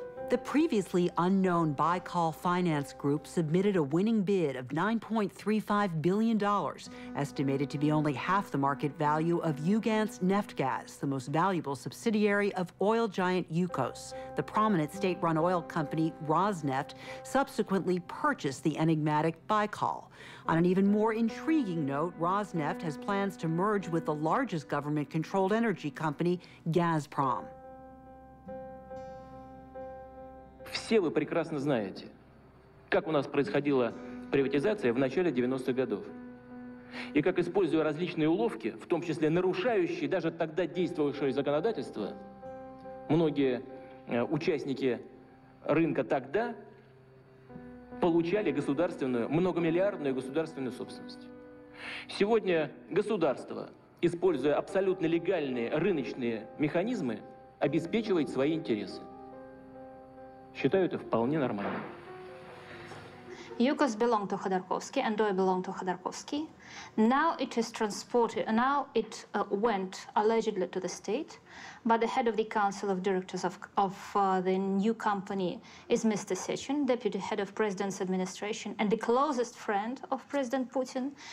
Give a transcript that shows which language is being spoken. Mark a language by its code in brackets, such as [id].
[en] The previously unknown Baikal Finance Group submitted a winning bid of $9.35 billion, estimated to be only half the market value of Ugansk Neftgaz, the most valuable subsidiary of oil giant Yukos. The prominent state-run oil company Rosneft subsequently purchased the enigmatic Baikal. On an even more intriguing note, Rosneft has plans to merge with the largest government-controlled energy company, Gazprom. [ru] Все вы прекрасно знаете, как у нас происходила приватизация в начале 90-х годов. И как, используя различные уловки, в том числе нарушающие даже тогда действовавшее законодательство, многие участники рынка тогда получали государственную, многомиллиардную государственную собственность. Сегодня государство, используя абсолютно легальные рыночные механизмы, обеспечивает свои интересы. Считаю это вполне нормально. [en] Yukos belonged to Khodorkovsky and oil belonged to Khodorkovsky. Now it is transported, now it went allegedly to the state, but the head of the council of directors of the new company is Mr. Sechin, deputy head of president's administration and the closest friend of President Putin.